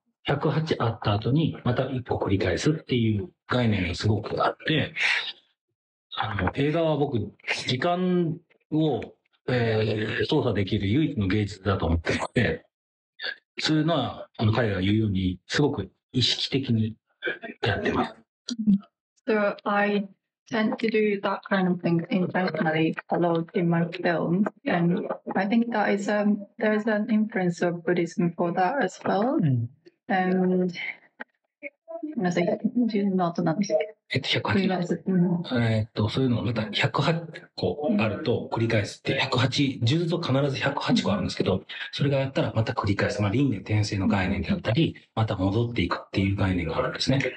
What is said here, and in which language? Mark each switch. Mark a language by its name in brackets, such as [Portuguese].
[Japanese] 108あった後にまた1個繰り返すっていう概念がすごくあって、映画は僕、時間を、操作できる唯一の芸術だと思っていて、そういうのは彼が言うように、すごく意識的にやってます。 [English] So I tend to do that kind of thing intentionally a lot in my films, and I think that is there's an influence of Buddhism for that as well. And as I do not know, [Japanese] そういうのまた108個あると繰り返すって、108数珠と必ず108個あるんですけど、それがやったらまた繰り返す、まあ輪廻転生の概念であったり、また戻っていくっていう概念があるんですね。